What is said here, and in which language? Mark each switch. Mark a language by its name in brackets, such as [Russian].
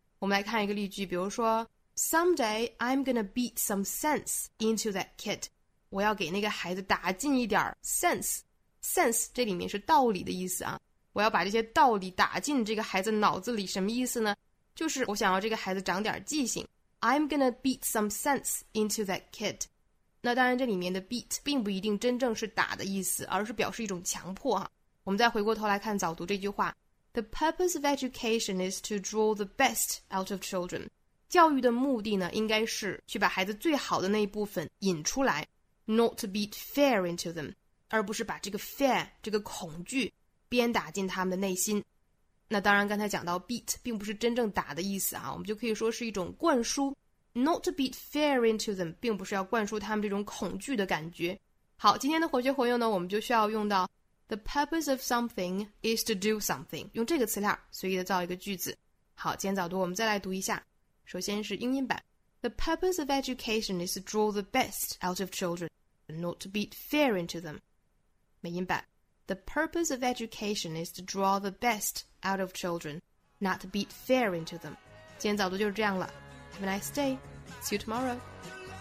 [Chinese] 我们来看一个例句，比如说 [English] Someday I'm gonna beat some sense into that kid， [Chinese] 我要给那个孩子打进一点 sense 这里面是道理的意思啊，我要把这些道理打进这个孩子脑子里，什么意思呢，就是我想要这个孩子长点记性。 [English] I'm gonna beat some sense into that kid。 [Chinese] 那当然这里面的 beat 并不一定真正是打的意思，而是表示一种强迫啊。我们再回过头来看早读这句话 [English] The purpose of education is to draw the best out of children， [Chinese] 教育的目的呢应该是去把孩子最好的那一部分引出来， [English] not to beat fear into them， [Chinese] 而不是把这个 fear 这个恐惧鞭打进他们的内心。那当然刚才讲到 beat 并不是真正打的意思啊，我们就可以说是一种灌输， [English] not to beat fear into them [Chinese] 并不是要灌输他们这种恐惧的感觉。好，今天的活学活用呢，我们就需要用到 [English] The purpose of something is to do something， [Chinese] 用这个词链随意的造一个句子。好，今天早读我们再来读一下，首先是英音版。 [English] The purpose of education is to draw the best out of children, not to beat fear into them。 [Chinese] 美音版。 [English] The purpose of education is to draw the best out of children, not to beat fear into them。 [Chinese] 今天早读就是这样了。 [English] Have a nice day. See you tomorrow.